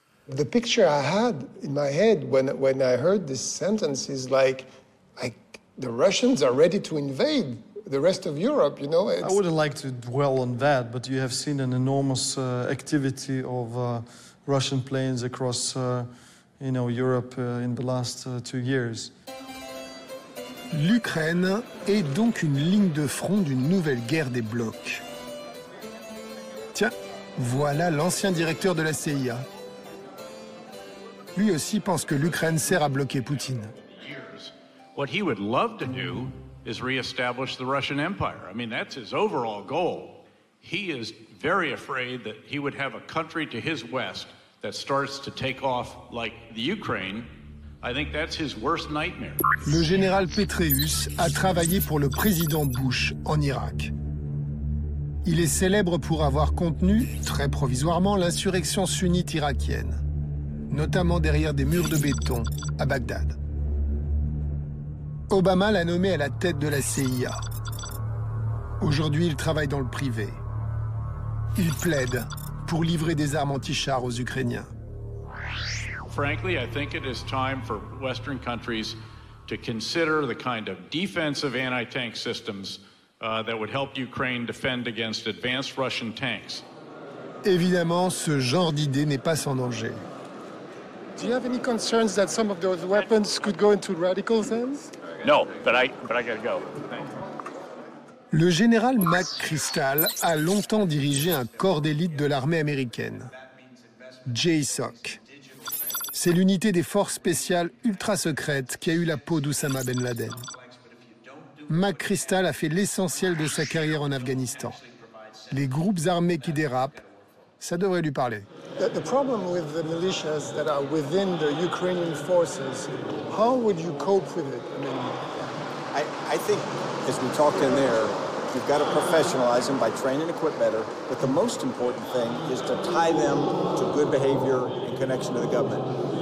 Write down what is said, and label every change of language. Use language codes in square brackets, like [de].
[en] The picture I had in my head when I heard this sentence is like the Russians are ready to invade the rest of Europe, you know? I wouldn't like to dwell on that, but you have seen an enormous activity of Russian planes across Europe in the last 2 years. [fr] L'Ukraine est donc une ligne de front d'une nouvelle guerre des blocs. Tiens, voilà l'ancien directeur de la CIA. Lui aussi pense que l'Ukraine sert à bloquer Poutine. [en] What he would love to do is reestablish the Russian Empire. I mean, that's his overall goal. He is very afraid that he would have a country to his west that starts to take off like the Ukraine. I think that's his worst nightmare. [fr] Le général Petraeus a travaillé pour le président Bush en Irak. Il est célèbre pour avoir contenu, très provisoirement, l'insurrection sunnite irakienne, notamment derrière des murs de béton à Bagdad. Obama l'a nommé à la tête de la CIA. Aujourd'hui, il travaille dans le privé. Il plaide pour livrer des armes anti-char aux Ukrainiens. [en] Frankly, I think it is time for Western countries to consider the kind of defensive anti-tank systems that would help Ukraine defend against advanced Russian tanks. [fr] Évidemment, ce genre d'idée n'est pas sans danger. [en] Do you have any concerns that some of those weapons could go into radical hands? No, but I gotta go. [fr] Le général McChrystal a longtemps dirigé un corps d'élite de l'armée américaine, JSOC. C'est l'unité des forces spéciales ultra-secrètes qui a eu la peau d'Oussama Ben Laden. McChrystal a fait l'essentiel de sa carrière en Afghanistan. Les groupes armés qui dérapent, ça devrait lui parler. [en] The problem with the militias that are within the Ukrainian forces, how would you cope with it? I mean, I think, as we talked in there, you've got to professionalize them by training and equip better. But the most important thing is to tie them to good behavior and connection to the government.